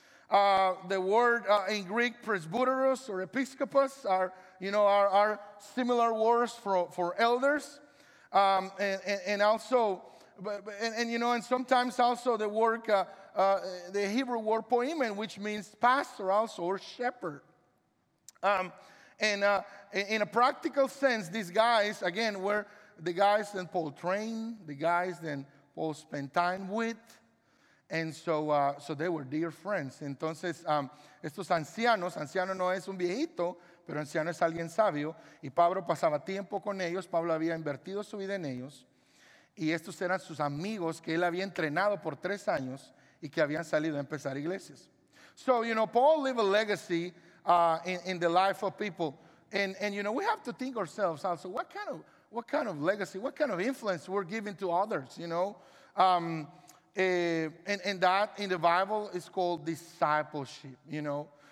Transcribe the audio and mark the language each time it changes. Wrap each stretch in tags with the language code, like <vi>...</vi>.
<en>The word in Greek, presbyteros or episkopos, are similar words for elders, and sometimes also the word the Hebrew word poimen, which means pastor also or shepherd, in a practical sense, these guys again were the guys that Paul trained, the guys that Paul spent time with. And so so they were dear friends.</en> <es>Entonces, estos ancianos, anciano no es un viejito, pero anciano es alguien sabio. Y Pablo pasaba tiempo con ellos. Pablo había invertido su vida en ellos. Y estos eran sus amigos que él había entrenado por 3 años y que habían salido a empezar iglesias.</es> <en>So, you know, Paul leave a legacy in the life of people. And you know, we have to think ourselves also, what kind of legacy, what kind of influence we're giving to others, you know? And that in the Bible is called discipleship, you know.</en>